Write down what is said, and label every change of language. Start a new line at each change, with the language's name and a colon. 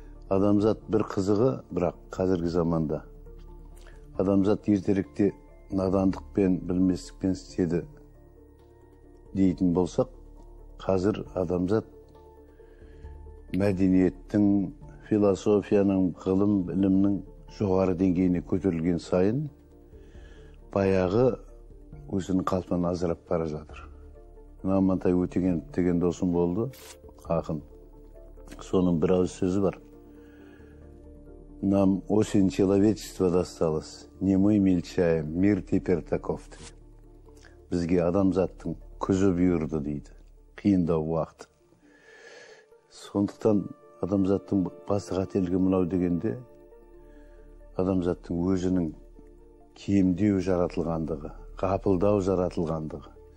Kazakh: Адамзат бір қызығы, бірақ қазіргі заманда адамзат ертеректе надандық пен білместікпен істеді дейтін болсақ, қазір адамзат мәдениеттің, философияның, ғылым, білімнің жоғары деңгейіне көтерілген сайын баяғы өзінің қалпынан азырап бара жатыр. Амантай Өтегенов деген досым болды, ақын. Соның бір ауыз сөзі бар.
Russian: Нам осень человечества досталась, не мы мельчаем, мир теперь таков.
Kazakh: Бізге адамзаттың күзі бұйырды дейді, қиындау уақыт. Сондықтан адамзаттың басты қателігі мынау дегенде, адамзаттың өзінің кемдеу жаратылғандығы, қапылдау жаратылғандығы.